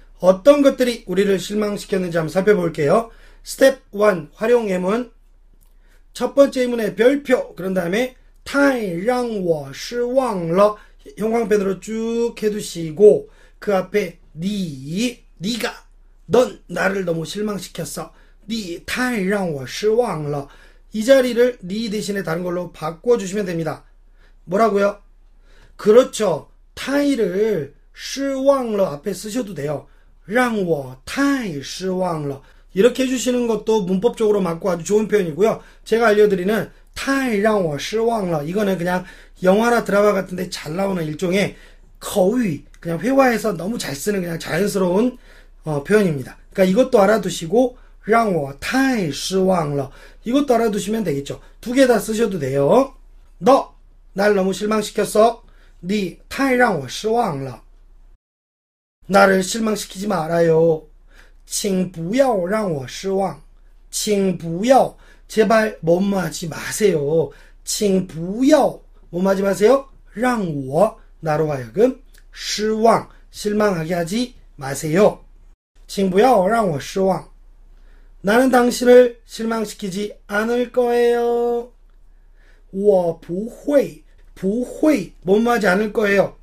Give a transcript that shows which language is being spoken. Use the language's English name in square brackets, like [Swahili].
[Korean] 어떤 것들이 우리를 실망시켰는지 한번 살펴볼게요. 스텝 1 활용 예문. 첫 번째 예문에 별표. 그런 다음에 [Chinese] 太让我失望了. [Korean] 형광펜으로 쭉 해두시고 그 앞에 네가 넌 나를 너무 실망시켰어. 네 [Chinese] 太让我失望了. [Korean] 이 자리를 네 대신에 다른 걸로 바꿔주시면 됩니다. 뭐라고요? 그렇죠. 太를 失望了 앞에 쓰셔도 돼요. [Chinese] 让我太失望了. [Korean] 이렇게 해주시는 것도 문법적으로 맞고 아주 좋은 표현이고요. 제가 알려드리는 [Chinese] 太让我失望了. [Korean] 이거는 그냥 영화나 드라마 같은데 잘 나오는 일종의 口语, 그냥 회화에서 너무 잘 쓰는 그냥 자연스러운 표현입니다. 그러니까 이것도 알아두시고, [Chinese] 让我太失望了. [Korean] 이것도 알아두시면 되겠죠. 두개다 쓰셔도 돼요. 너, 날 너무 실망시켰어. [Chinese] 你太让我失望了. [Korean] 나를 실망시키지 말아요. [Chinese] 请不要让我失望.请不要, [Korean] 제발 뭐뭐하지 마세요. [Chinese] 请不要 [Korean] 뭐뭐하지 마세요. 让我, 나로 하여금 失望, 실망하게 하지 마세요. [Chinese] 请不要让我失望. [Korean] 나는 당신을 실망시키지 않을 거예요. [Chinese] 我不会 [Korean] 뭐뭐하지 않을 거예요.